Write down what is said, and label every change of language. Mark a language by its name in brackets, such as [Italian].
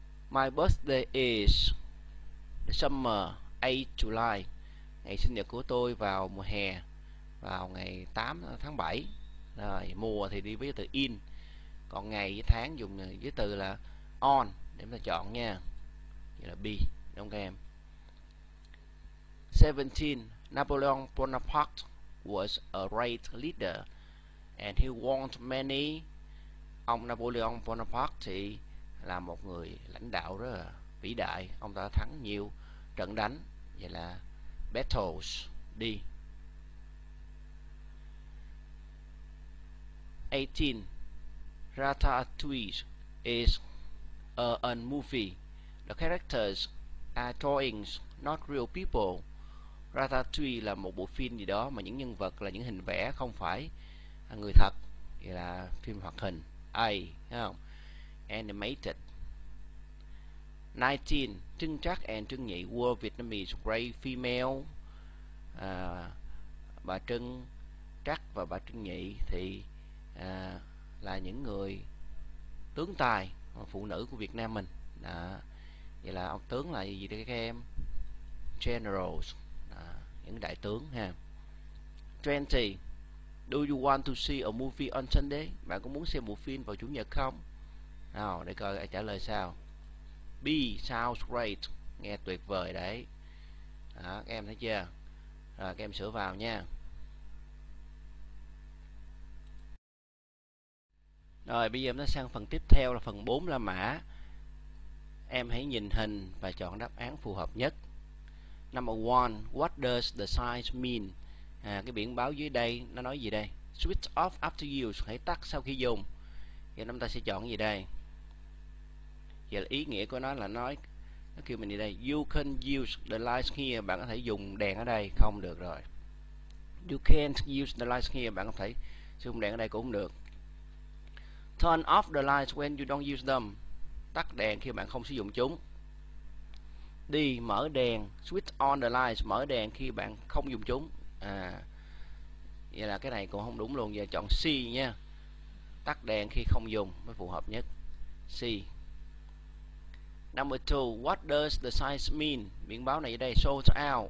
[English] My birthday is summer 8 July. [Vietnamese] Ngày sinh nhật của tôi vào mùa hè, vào ngày 8 tháng 7. Rồi mùa thì đi với từ in, còn ngày với tháng dùng với từ là on để chúng ta chọn nha. Vậy là B đúng không em? 17. [English] Napoleon Bonaparte was a great leader and he warned many. [Vietnamese] Ông Napoleon Bonaparte thì là một người lãnh đạo rất là vĩ đại. Ông ta đã thắng nhiều trận đánh. Vậy là battles đi. [English] 18. Ratatouille is a movie. The characters are drawings, not real people. [Vietnamese] Ratatouille là một bộ phim gì đó mà những nhân vật là những hình vẽ, không phải người thật. Vậy là phim hoạt hình. A, thấy không? Animated. 19. [English] Trưng Trắc and Trưng Nhị were Vietnamese great female. [Vietnamese] Bà Trưng Trắc và bà Trưng Nhị thì là những người tướng tài phụ nữ của Việt Nam mình. Đó. Vậy là ông tướng là gì đấy các em? Generals. Đó. Những đại tướng ha. 20. [English] Do you want to see a movie on Sunday? [Vietnamese] Bạn có muốn xem bộ phim vào Chủ nhật không? Nào, để coi trả lời sao. [English] B sounds great. [Vietnamese] Nghe tuyệt vời đấy. Đó, các em thấy chưa? Rồi, các em sửa vào nha. Rồi, bây giờ chúng ta sang phần tiếp theo là phần 4 La Mã. Em hãy nhìn hình và chọn đáp án phù hợp nhất. [English] Number 1. What does the sign mean? [Vietnamese] À, cái biển báo dưới đây nó nói gì đây? [English] Switch off after use. [Vietnamese] Hãy tắt sau khi dùng. Giờ chúng ta sẽ chọn gì đây? Giờ ý nghĩa của nó là nói, nó kêu mình đi đây. [English] You can use the lights here. [Vietnamese] Bạn có thể dùng đèn ở đây. Không được rồi. [English] You can't use the lights here. [Vietnamese] Bạn có thể sử dụng đèn ở đây cũng không được. [English] Turn off the lights when you don't use them. [Vietnamese] Tắt đèn khi bạn không sử dụng chúng. Đi mở đèn. [English] Switch on the lights. [Vietnamese] Mở đèn khi bạn không dùng chúng. À, vậy là cái này cũng không đúng luôn. Giờ chọn C nha. Tắt đèn khi không dùng mới phù hợp nhất. [English] C. Number 2. What does the size mean? [Vietnamese] Biển báo này ở đây. [English] Sold out.